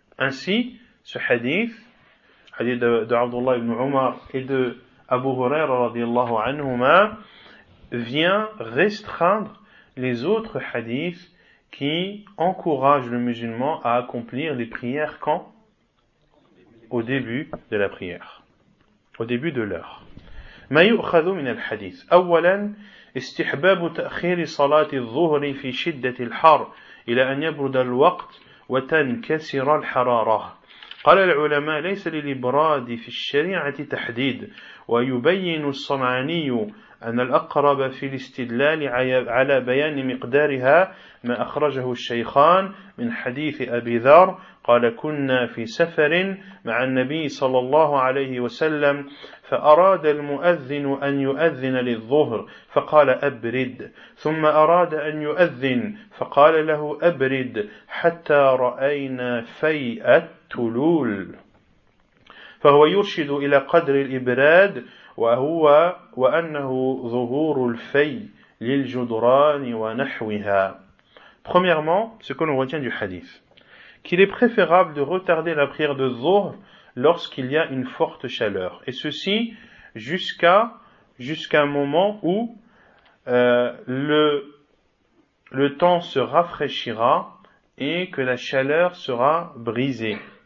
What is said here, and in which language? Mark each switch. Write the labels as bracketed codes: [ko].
[fr] Ainsi, ce hadith de Abdullah ibn Umar et de Abu Huraira [ar] radiallahu anhuma, [fr] vient restreindre les autres hadiths qui encouragent le musulman à accomplir les prières quand ? Au début de la prière, au début de l'heure. [ar] ما يؤخذ من الحديث أولا استحباب تأخير صلاة الظهر في شدة الحر إلى أن يبرد الوقت وتنكسر الحرارة قال العلماء ليس للإبراد في الشريعة تحديد ويبين الصنعاني أن الأقرب في الاستدلال على بيان مقدارها ما أخرجه الشيخان من حديث أبي ذر قال كنا في سفر مع النبي صلى الله عليه وسلم فأراد المؤذن أن يؤذن للظهر فقال أبرد ثم أراد أن يؤذن فقال له أبرد حتى رأينا فيء التلول فهو يرشد إلى قدر الإبراد وهو وأنه ظهور الفي للجدران ونحوها. [fr] Premièrement, ce que l'on retient du hadith, qu'il est préférable de retarder la prière de Dhuhr lorsqu'il y a une forte chaleur, et ceci jusqu'à un moment où le temps se rafraîchira et que la chaleur sera brisée.